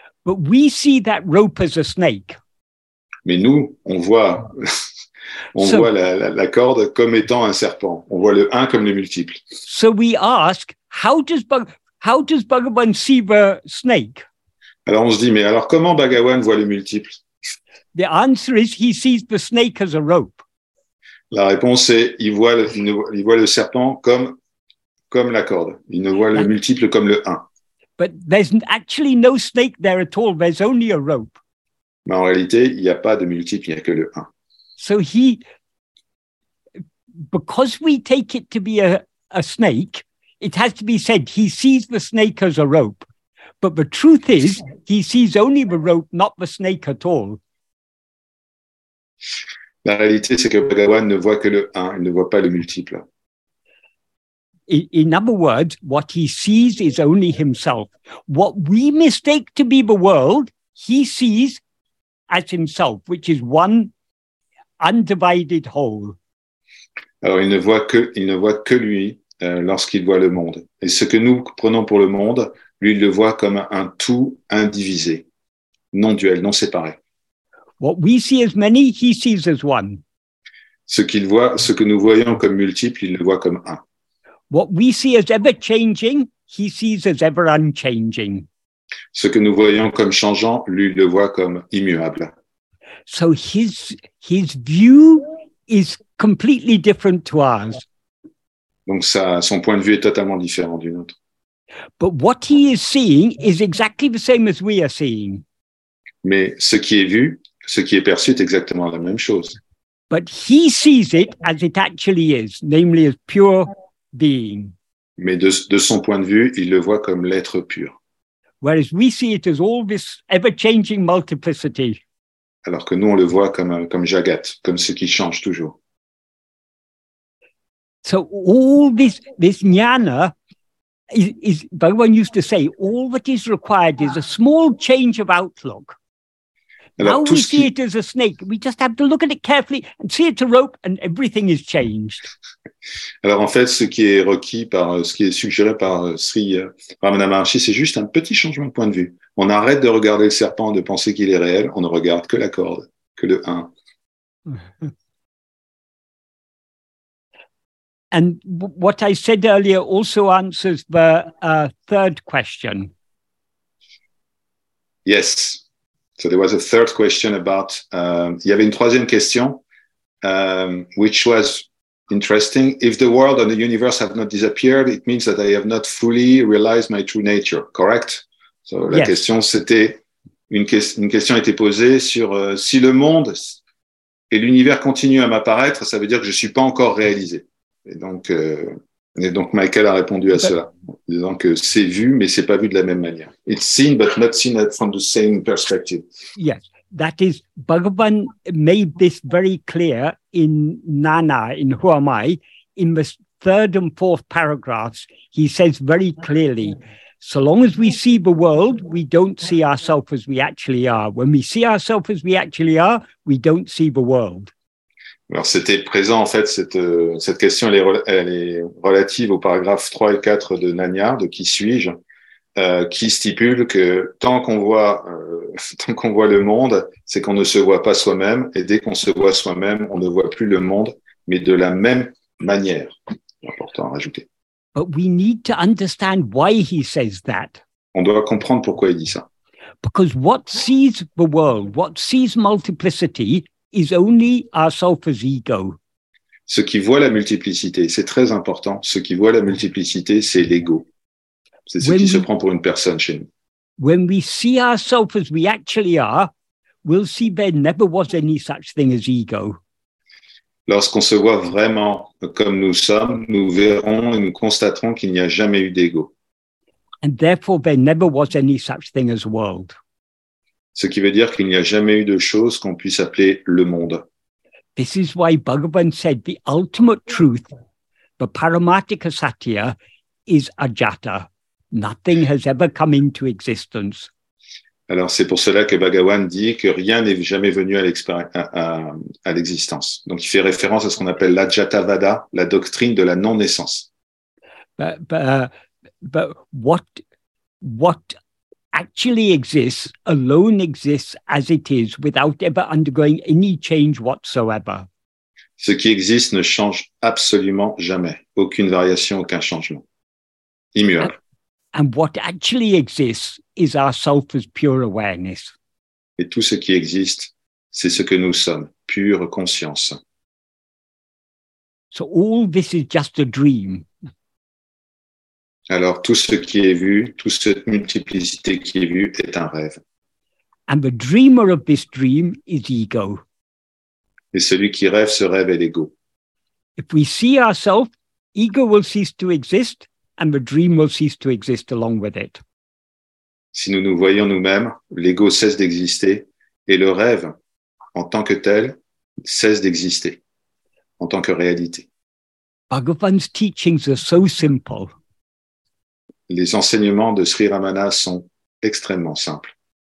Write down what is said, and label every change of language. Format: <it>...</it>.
<en>But we see that rope as a snake.</en> <fr>Mais nous, on voit la corde comme étant un serpent. On voit le un comme le multiple.</fr> <en>So we ask, how does Bhagavan see the snake?</en> <fr>Alors on se dit, mais alors comment Bhagavan voit le multiple?</fr> <en>The answer is, he sees the snake as a rope.</en> <fr>La réponse est, il voit le serpent comme la corde. Il ne voit le multiple comme le un.</fr> <en>But there's actually no snake there at all. There's only a rope.</en> <fr>Mais en réalité, il n'y a pas de multiple, il n'y a que le un.</fr> <en>So he, because we take it to be a snake, it has to be said, he sees the snake as a rope. But the truth is, he sees only the rope, not the snake at all.</en> <fr>La réalité, c'est que Bhagavan ne voit que le un, il ne voit pas le multiple.</fr> <en>In other words, what he sees is only himself. What we mistake to be the world, he sees as himself, which is one undivided whole.</en> <fr>Alors, il ne voit que lui lorsqu'il voit le monde. Et ce que nous prenons pour le monde, lui, il le voit comme un tout indivisé, non duel, non séparé.</fr> <en>What we see as many, he sees as one.</en> <fr>Ce que nous voyons comme multiple, il le voit comme un.</fr> <en>What we see as ever changing, he sees as ever unchanging.</en> <fr>Ce que nous voyons comme changeant, lui le voit comme immuable.</fr> <en>So his view is completely different to ours.</en> <fr>Donc son point de vue est totalement différent du nôtre.</fr> <en>But what he is seeing is exactly the same as we are seeing.</en> <fr>Mais ce qui est vu, ce qui est perçu est exactement la même chose.</fr> <en>But he sees it as it actually is, namely as pure being.</en> <fr>Mais de son point de vue, il le voit comme l'être pur.</fr> <en>Whereas we see it as all this ever-changing multiplicity.</en> <fr>Alors que nous, on le voit comme Jagat, comme ce qui change toujours.</fr> <en>So all this jnana, is Bhagavan used to say, all that is required is a small change of outlook.</en> <fr>Alors,</fr> <en>now we see it as a snake. We just have to look at it carefully and see it's a rope and everything is changed.</en> <fr>Alors en fait, ce qui est requis par, ce qui est suggéré par Sri Ramana Maharshi, c'est juste un petit changement de point de vue. On arrête de regarder le serpent, de penser qu'il est réel, on ne regarde que la corde, que le un.</fr> <en>And what I said earlier also answers the third question. Yes. So there was a third question about,</en> <fr>il y avait une troisième question,</fr> <en>which was interesting. If the world and the universe have not disappeared, it means that I have not fully realized my true nature, correct? So la yes.</en> <fr>question, c'était, une question était posée sur si le monde et l'univers continuent à m'apparaître, ça veut dire que je ne suis pas encore réalisé. Et donc Michael a répondu à cela, disant que c'est vu, mais c'est pas vu de la même manière.</fr> <en>It's seen, but not seen from the same perspective. Yes, that is, Bhagavan made this very clear in Nana, in Who Am I, in the third and fourth paragraphs, he says very clearly, so long as we see the world, we don't see ourselves as we actually are. When we see ourselves as we actually are, we don't see the world.</en> <fr>Alors, c'était présent, en fait, cette question, elle est relative aux paragraphes 3 et 4 de Nanya, de Qui suis-je, qui stipule que tant qu'on voit le monde, c'est qu'on ne se voit pas soi-même, et dès qu'on se voit soi-même, on ne voit plus le monde, mais de la même manière. C'est important à rajouter.</fr> <en>But we need to understand why he says that.</en> <fr>On doit comprendre pourquoi il dit ça.</fr> <en>Because what sees the world, what sees multiplicity, is only ourself as ego.</en> <fr>Ce qui voit la multiplicité, c'est très important. Ce qui voit la multiplicité, c'est l'ego. C'est ce qui se prend pour une personne chez nous.</fr> <en>When we see ourselves as we actually are, we'll see there never was any such thing as ego.</en> <fr>Lorsqu'on se voit vraiment comme nous sommes, nous verrons et nous constaterons qu'il n'y a jamais eu d'ego.</fr> <en>And therefore, there never was any such thing as world.</en> <fr>Ce qui veut dire qu'il n'y a jamais eu de chose qu'on puisse appeler le monde.</fr> <en>This is why Bhagavan said the ultimate truth, the paramatika satya, is ajata. Nothing has ever come into existence.</en> <fr>Alors c'est pour cela que Bhagavan dit que rien n'est jamais venu à l'existence. Donc il fait référence à ce qu'on appelle l'ajatavada, la doctrine de la non-naissance.</fr> <en>But what actually exists alone exists as it is without ever undergoing any change whatsoever.</en> <fr>Ce qui existe ne change absolument jamais, aucune variation, aucun changement. Immuable.</fr> <en>And what actually exists is ourself as pure awareness.</en> <fr>Et tout ce qui existe, c'est ce que nous sommes, pure conscience.</fr> <en>So all this is just a dream.</en> <fr>Alors tout ce qui est vu, toute cette multiplicité qui est vue est un rêve.</fr> <en>And the dreamer of this dream is ego.</en> <fr>Et celui qui rêve ce rêve est l'ego.</fr> <en>If we see ourselves, ego will cease to exist and the dream will cease to exist along with it.</en> <fr>Si nous nous voyons nous-mêmes, l'ego cesse d'exister et le rêve en tant que tel cesse d'exister en tant que réalité.</fr> <en>Bhagavan's teachings are so simple.</en> <fr>Les enseignements de Sri Ramana sont extrêmement simples.</fr>